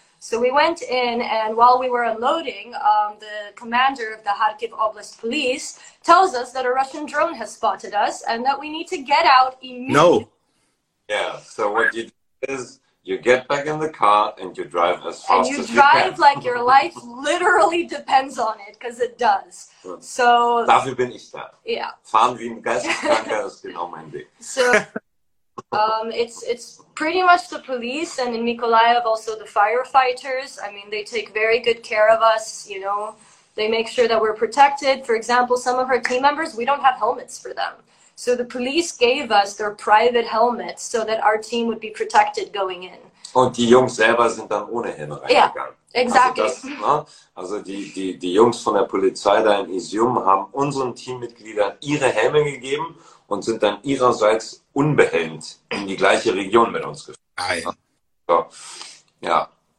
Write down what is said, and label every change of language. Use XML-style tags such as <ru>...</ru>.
<en>So we went in, and while we were unloading, the commander of the Kharkiv Oblast Police tells us that a Russian drone has spotted us and that we need to get out immediately. No. Yeah, so what you do is you get back in the car and you drive as fast as you can. And you drive like your life literally depends on it, because it does. So</en> <de>dafür bin ich da.</de> <en>Yeah.</en> <de>Fahren wie ein Geisteskranker ist genau mein Ding.</de> <en>So it's pretty much the police, and in Mykolaiv also the firefighters. I mean, they take very good care of us, you know. They make sure that we're protected. For example, some of our team members, we don't have helmets for them. So the police gave us their private helmets so that our team would be protected going in.</en> <de>Und die Jungs selber sind dann ohne Helm reingegangen.</de> <en>Yeah, exactly.</en> <de>Also die Jungs von der Polizei da in Izium haben unseren Teammitgliedern ihre Helme gegeben und sind dann ihrerseits unbehelmt in die gleiche Region mit uns gefahren. Ah, ja. So, ja.</de>